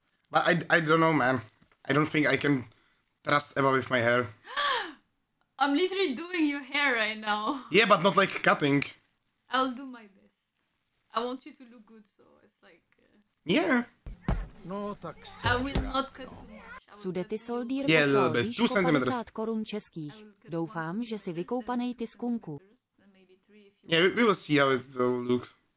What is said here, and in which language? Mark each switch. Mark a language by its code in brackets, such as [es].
[en] But I don't know, man. I don't think I can trust Eva with my hair. I'm literally doing your hair right now. Yeah, but not like cutting. I'll do my best. I want you to look good, so it's like... Yeah. [cs] No, tak se. [en] I will not cut too much. [cs] Sudety soldír poslal výšku 50 korun českých. Doufám, že si vykoupanej ty skunku. [en] Yeah, we will see how it will look.